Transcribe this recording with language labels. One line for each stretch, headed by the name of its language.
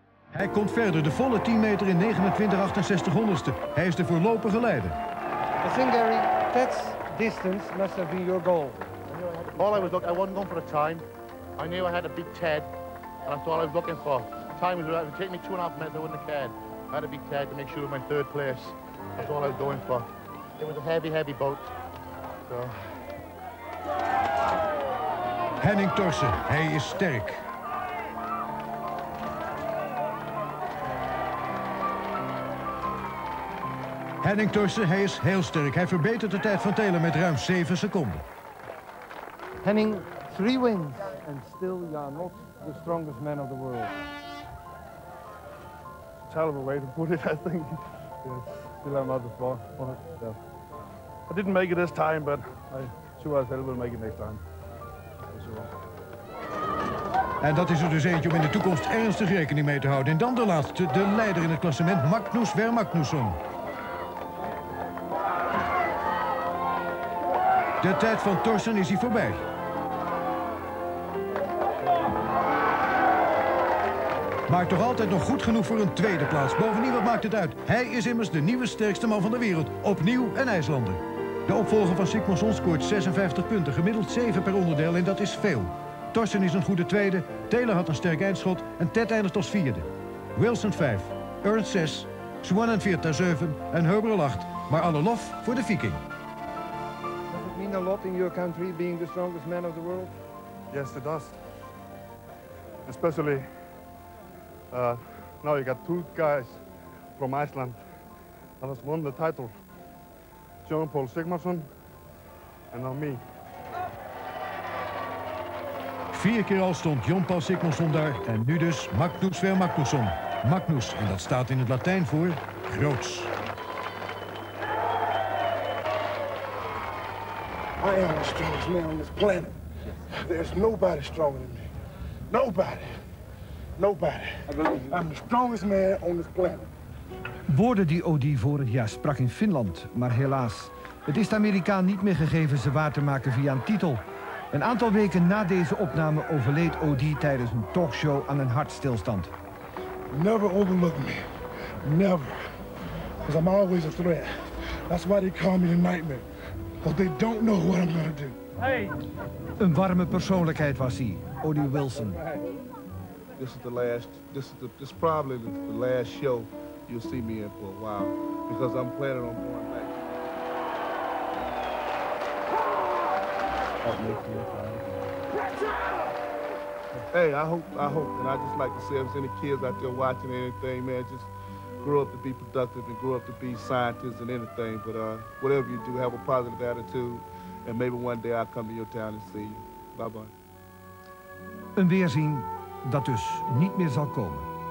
Dutch: Hij komt verder, de volle 10 meter in 29,68 honderdste. Hij is de voorlopige leider.
English: I think, Gary, Ted's distance must have been your goal. I wasn't going for a time. I knew I had a big Ted, and that's all I was looking for. Time was right. If it took me 2.5 minutes, I wouldn't have cared. I had a big Ted to make sure of my third place. That's all I was going for. It was a heavy, heavy boat. So.
Dutch: Henning Torsen, hij is sterk. Henning Torsen, hij is heel sterk. Hij verbetert de tijd van Taylor met ruim 7 seconden.
English: Henning, 3 wins and still you are not the strongest man of the world. Terrible way to put it, I think. Yes, still I'm not the strongest. Yeah. I didn't make it this time, but I sure as hell will make it next time. Sure.
Dutch: En dat is er dus eentje om in de toekomst ernstig rekening mee te houden. En dan de laatste, de leider in het klassement, Magnus Vermagnusson. De tijd van Torsen is hier voorbij. Maar toch altijd nog goed genoeg voor een tweede plaats. Bovendien, wat maakt het uit? Hij is immers de nieuwe sterkste man van de wereld. Opnieuw een IJslander. De opvolger van Sigmundsson scoort 56 punten, gemiddeld 7 per onderdeel en dat is veel. Torsen is een goede tweede, Taylor had een sterk eindschot en Ted eindigt als vierde. Wilson 5, Ernst 6, Swan en Vierta 7 en Heubrel 8. Maar alle lof voor de Viking.
English: A lot in your country being the strongest man of the world? Yes, it does. Especially now you got 2 guys from Iceland that has won the title. John Paul Sigmarsson and now me.
Dutch: 4 keer al stond John Paul Sigmarsson daar en nu dus Magnus Vermagnusson. Magnus, en dat staat in het Latijn voor groots.
English: I am the strongest man on this planet. There's nobody stronger than me. Nobody. Nobody. I'm the strongest man on this planet.
Dutch: Woorden die Odie vorig jaar sprak in Finland, maar helaas. Het is de Amerikaan niet meer gegeven ze waar te maken via een titel. Een aantal weken na deze opname overleed Odie tijdens een talkshow aan een hartstilstand.
English: Never overlook me. Never. Because I'm always a threat. That's why they call me the nightmare. Want they don't know what I'm gonna do. Hey.
Dutch: Een warme persoonlijkheid was hij, Odie Wilson.
English: This is the last, this is probably the last show you'll see me in for a while. Because I'm planning on going back. Hey, I hope, and I just like to say if there's any kids out there watching anything, man, just grow up to be productive and grow up to be scientists and anything, but whatever you do, have a positive attitude and maybe one day I'll come to your town and see you. Bye-bye.
Dutch: Een weerzien dat dus niet meer zal komen.